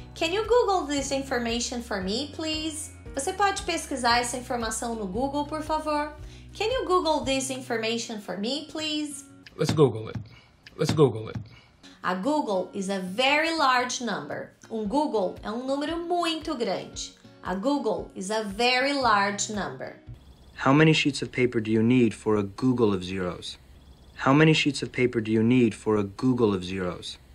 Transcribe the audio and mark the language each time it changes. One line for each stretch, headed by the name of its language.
English: Can you Google this information for me, please?
Portuguese: Você pode pesquisar essa informação no Google, por favor?
English: Can you Google this information for me, please? Let's Google it. Let's Google it. A Google is a very large number.
Portuguese: Um Google é um número muito grande.
English: A Google is a very large number. How many sheets of paper do you need for a Google of zeros? How many sheets of paper do you need for a Google of zeros?